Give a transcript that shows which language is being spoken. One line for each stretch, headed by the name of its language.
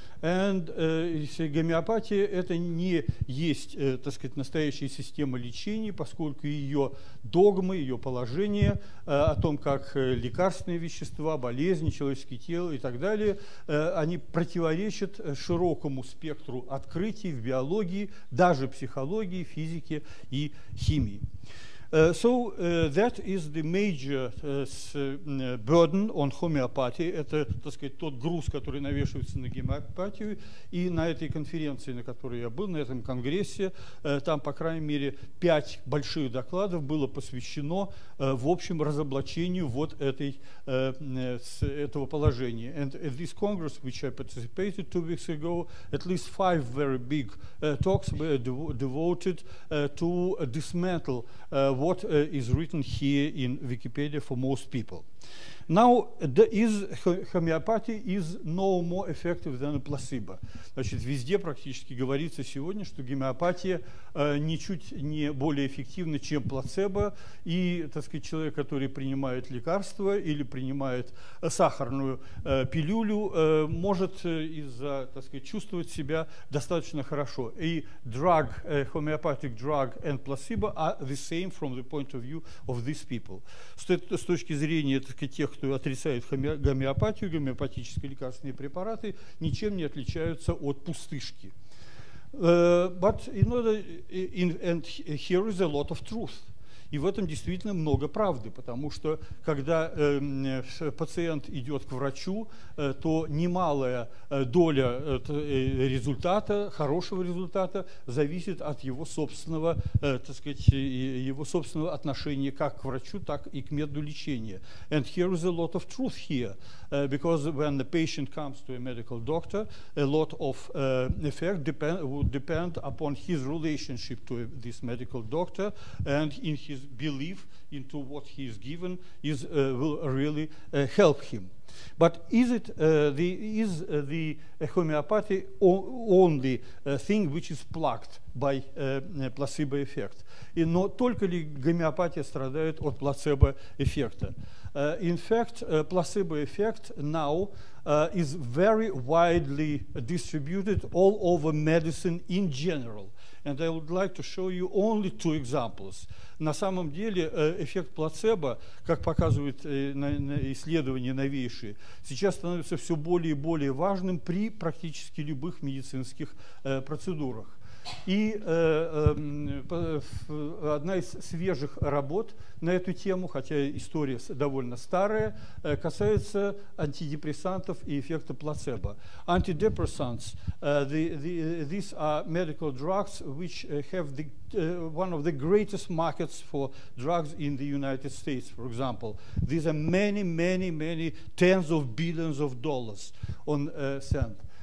Russian: And гомеопатия – это не есть, так сказать, настоящая система лечения, поскольку ее догмы, ее положение о том, как лекарственные вещества, болезни, человеческое тело и так далее, они противоречат широкому спектру открытий в биологии, даже психологии, физике и химии.
English: So that is the major burden on homeopathy.
Russian: Это, так сказать, тот груз, который навешивается на гомеопатию. И на этой конференции, на которой я был, на этом конгрессе, там, по крайней мере, 5 больших докладов было посвящено, в общем, разоблачению вот этого положения.
English: And at this congress, which I participated 2 weeks ago, at least 5 very big talks were devoted to dismantle what is written here in Wikipedia for most people. Now, homeopathy is no more effective than a placebo.
Russian: Значит, везде практически говорится сегодня, что гомеопатия ничуть не более эффективна, чем плацебо. И, так сказать, человек, который принимает лекарство или принимает сахарную пилюлю, может так сказать, чувствовать себя достаточно хорошо.
English: И drug, homeopathic drug and placebo are the same from the point of view of these people.
Russian: С точки зрения, так сказать, тех, тех, кто отрицает гомеопатию, гомеопатические лекарственные препараты ничем не отличаются от пустышки.
English: But in order, and here is a lot of truth.
Russian: И в этом действительно много правды, потому что когда пациент идет к врачу, то немалая доля результата, хорошего результата, зависит от его собственного, так сказать, его собственного отношения как к врачу, так и к методу лечения.
English: And here is a lot of truth here, because when the patient comes to a medical doctor, a lot of effect would depend upon his relationship to this medical doctor and in his belief into what he is given is will really help him. But is the homeopathy only thing which is plucked by placebo effect?
Russian: И но только ли гомеопатия страдает от плацебо эффекта?
English: In fact, placebo effect now is very widely distributed all over medicine in general. And I would like to show you only two examples.
Russian: На самом деле эффект плацебо, как показывают исследования новейшие, сейчас становится все более и более важным при практически любых медицинских процедурах. И одна из свежих работ на эту тему, хотя история довольно старая, касается антидепрессантов и эффекта плацебо.
English: Antidepressants, these are medical drugs which have the one of the greatest markets for drugs in the United States, for example. These are many, many, many tens of billions of dollars on cent.